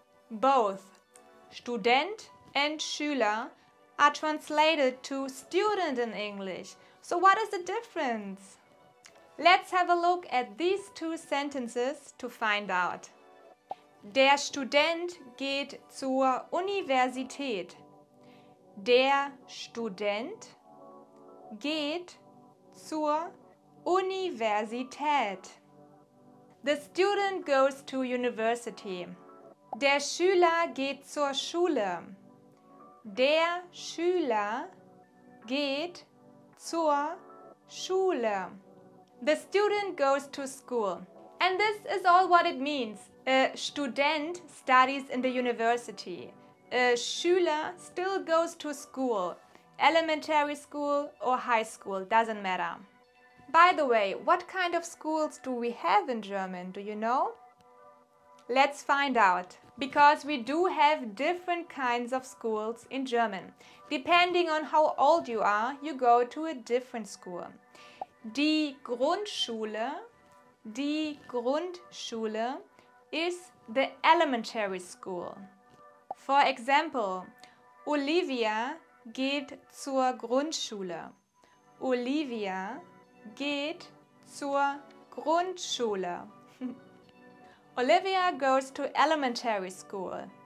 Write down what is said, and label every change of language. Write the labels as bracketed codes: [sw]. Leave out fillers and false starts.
[en] Both Student and Schüler are translated to student in English. So what is the difference? Let's have a look at these two sentences to find out. [de] Der Student geht zur Universität. Der Student geht zur Universität. [en] The student goes to university. [de] Der Schüler geht zur Schule. Der Schüler geht zur Schule. [en] The student goes to school. And this is all what it means. A student studies in the university. A Schüler still goes to school. Elementary school or high school, doesn't matter. By the way, what kind of schools do we have in German, do you know? Let's find out. Because we do have different kinds of schools in German. Depending on how old you are, you go to a different school. Die Grundschule is the elementary school. For example, [de] Olivia geht zur Grundschule. Olivia geht zur Grundschule. [en] Olivia goes to elementary school.